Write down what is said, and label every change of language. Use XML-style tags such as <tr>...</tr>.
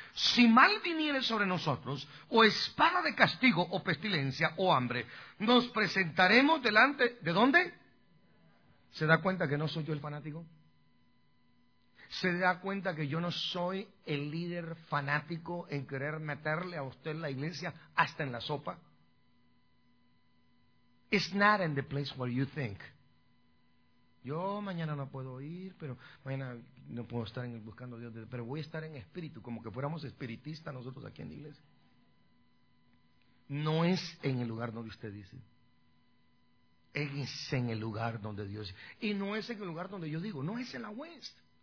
<es>Si mal viniere sobre nosotros, o espada de castigo, o pestilencia, o hambre, nos presentaremos delante, ¿de dónde? ¿Se da cuenta que no soy yo el fanático? ¿Se da cuenta que yo no soy el líder fanático en querer meterle a usted la iglesia hasta en la sopa?</es> <en>It's not in the place where you think.</en> <es>Yo mañana no puedo ir, pero mañana no puedo estar en el buscando a Dios, pero voy a estar en espíritu, como que fuéramos espiritistas nosotros aquí en la iglesia. No es en el lugar donde usted dice. Es en el lugar donde Dios dice. Y no es en el lugar donde yo digo, no es en la West.</es>